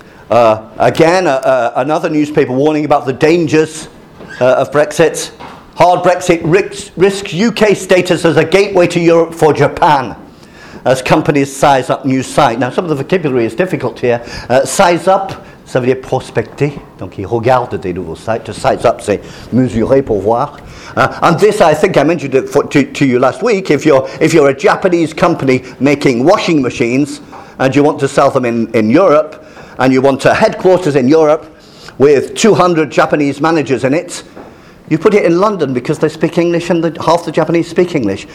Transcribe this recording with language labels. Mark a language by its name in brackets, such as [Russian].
[English] Another newspaper warning about the dangers of Brexit. Hard Brexit risks UK status as a gateway to Europe for Japan as companies size up new site. Now, some of the vocabulary is difficult here. Size up. [French] Ça veut dire prospecter, donc ils regardent des nouveaux sites. To size up, c'est mesurer pour voir. [English] And this, I think I mentioned it to you last week. If you're a Japanese company making washing machines and you want to sell them in Europe and you want a headquarters in Europe with 200 Japanese managers in it, you put it in London because they speak English and half the Japanese speak English.